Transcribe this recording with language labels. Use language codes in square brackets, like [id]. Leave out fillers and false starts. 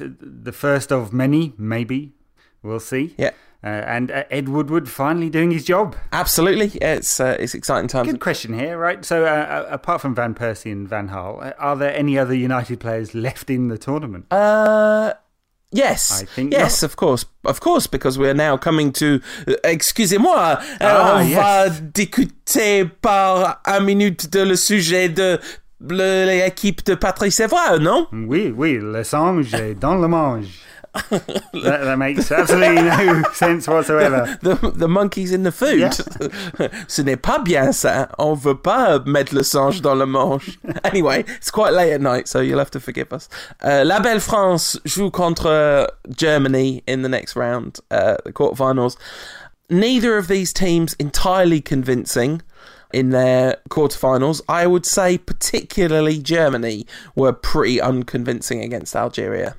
[en] The first of many, maybe. We'll see. Yeah. And Ed Woodward finally doing his job. Absolutely. It's exciting times. Good question here, right? So apart from Van Persie and Van Gaal, are there any other United players left in the tournament? Yes. I think yes, not. Of course. Of course, because we are now coming to, [fr] excusez-moi, va discuter par un minute de le sujet de l'équipe de Patrice Evra, non? Oui, oui, les anges dans le mange. [en] That makes absolutely no sense whatsoever. The monkeys in the food. Yeah. [fr] Ce n'est pas bien ça. On veut pas mettre le singe dans le manche. [en] Anyway, it's quite late at night, so you'll have to forgive us. [fr] La Belle France joue contre [en] Germany in the next round, the quarterfinals. Neither of these teams entirely convincing in their quarterfinals. I would say particularly Germany were pretty unconvincing against Algeria.